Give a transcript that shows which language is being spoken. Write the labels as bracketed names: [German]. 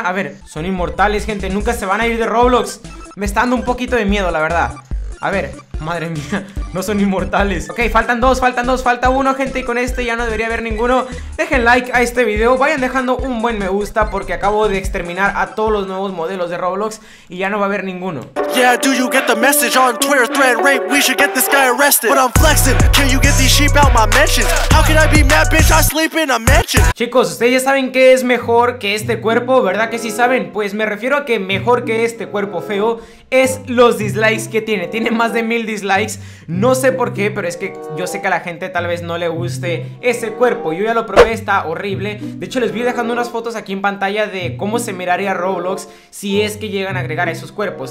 [Spanish] A ver, son inmortales, gente, nunca se van a ir de Roblox. Me está dando un poquito de miedo, la verdad. A ver, madre mía, no son inmortales. Ok, faltan dos, falta uno, gente. Y con este ya no debería haber ninguno. Dejen like a este video, vayan dejando un buen me gusta, porque acabo de exterminar a todos los nuevos modelos de Roblox y ya no va a haber ninguno. [English] Yeah, do you get the message on Twitter? Threat rape, we should get this guy arrested. But I'm flexing, can you get these sheep out my mansion? How can I be mad, bitch? I sleep in a mansion. [Spanish] Chicos, ustedes ya saben que es mejor que este cuerpo, ¿verdad que sí saben? Pues me refiero a que mejor que este cuerpo feo es los dislikes que tiene. Tiene más de 1,000 dislikes. No sé por qué, pero es que yo sé que a la gente tal vez no le guste ese cuerpo. Yo ya lo probé, está horrible. De hecho, les voy dejando unas fotos aquí en pantalla de cómo se miraría Roblox si es que llegan a agregar esos cuerpos.